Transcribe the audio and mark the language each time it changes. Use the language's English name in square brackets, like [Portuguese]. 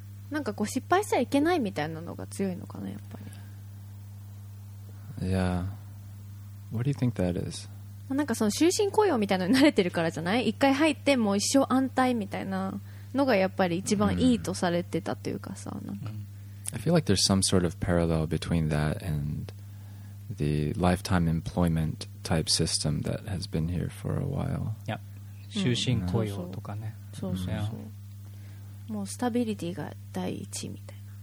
[Japanese] なんかこう失敗しちゃいけないみたいなのが強いのかな、やっぱり。 [English] Yeah. What do you think that is? [Japanese] なんかその終身雇用みたいなのに慣れてるからじゃない？一回入ってもう一生安泰みたいなのがやっぱり一番いいとされてたというかさ、なんか。 [English] I feel like there's some sort of parallel between that and the lifetime employment type system that has been here for a while. [Japanese] Yeah. 終身雇用とかね。そうそうそう。もうスタビリティが第一みたいな。